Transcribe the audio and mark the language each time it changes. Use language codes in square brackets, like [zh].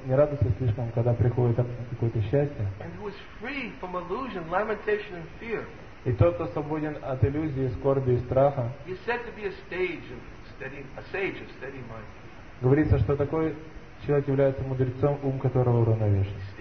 [ru] И он не радуется, когда приходит какое-то счастье. [en] And who is free from illusion, lamentation, and fear. [ru] И тот, кто свободен от иллюзии, скорби и страха. [en] He is said to be a sage of steady mind. [ru] Говорится, что такой человек является мудрецом, ум которого уравновешен.